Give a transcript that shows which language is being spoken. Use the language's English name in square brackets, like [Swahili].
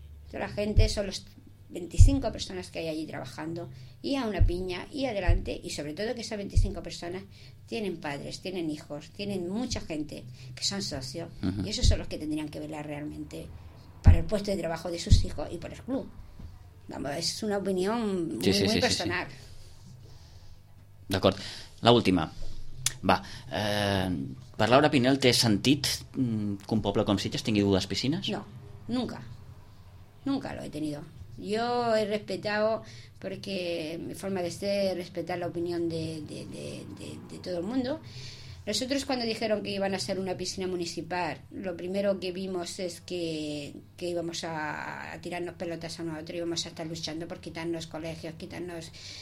[Spanish] Son la gente, son los 25 personas que hay allí trabajando, y a una piña, y adelante, y sobre todo que esas 25 personas tienen padres, tienen hijos, tienen mucha gente que son socios, y esos son los que tendrían que velar realmente para el puesto de trabajo de sus hijos y por el club. Vamos, [Catalan] és una opinió molt personal. Sí. D'acord. L'última. Va, per Laura Pinel té sentit que un poble com Sitges tingui dues piscines? [Spanish] No, nunca. Nunca lo he tenido. Yo he respetado, porque mi forma de ser es respetar la opinión de todo el mundo. Nosotros, cuando dijeron que iban a ser una piscina municipal, lo primero que vimos es que íbamos a tirarnos pelotas a uno a otro, íbamos a estar luchando por quitarnos colegios, quitarnos.